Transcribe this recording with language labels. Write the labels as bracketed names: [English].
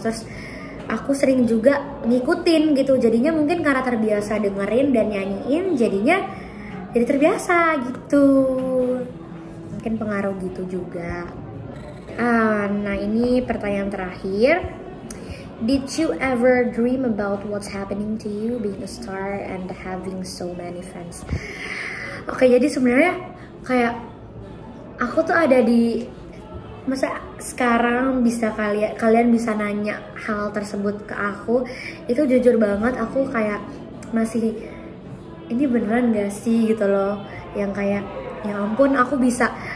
[Indonesian] Terus aku sering juga ngikutin gitu, jadinya mungkin karena terbiasa dengerin dan nyanyiin, jadinya jadi terbiasa gitu, mungkin pengaruh gitu juga. Nah, ini pertanyaan terakhir. [English] Did you ever dream about what's happening to you being a star and having so many fans? [Indonesian] Oke, jadi sebenarnya kayak aku tuh ada di masa sekarang, bisa kalian bisa nanya hal tersebut ke aku, itu jujur banget aku kayak masih ini beneran gak sih gitu loh, yang kayak ya ampun aku bisa